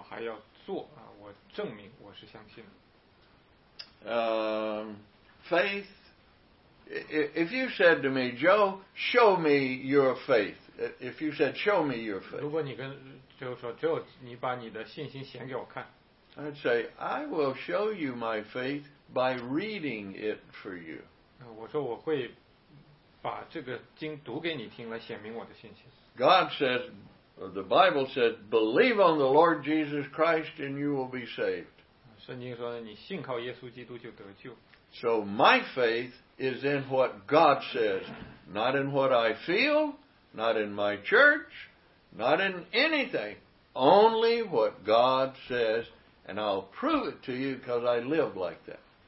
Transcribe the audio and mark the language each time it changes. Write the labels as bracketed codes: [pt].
[zh] 所以我不但呢说我相信，我还要做啊，我证明我是相信的。 [en] Faith. If you said to me, Joe, show me your faith. If you said, show me your faith. [zh] 如果你跟Joe说，Joe，你把你的信心显给我看。 [en] I'd say, I will show you my faith by reading it for you. [zh] 我说我会。把这个经读给你听了，显明我的信心。 [en] God says, the Bible says, believe on the Lord Jesus Christ and you will be saved. [zh] 圣经说你信靠耶稣基督就得救。 [en] So my faith is in what God says, not in what I feel, not in my church, not in anything, only what God says, and I'll prove it to you because I live like that.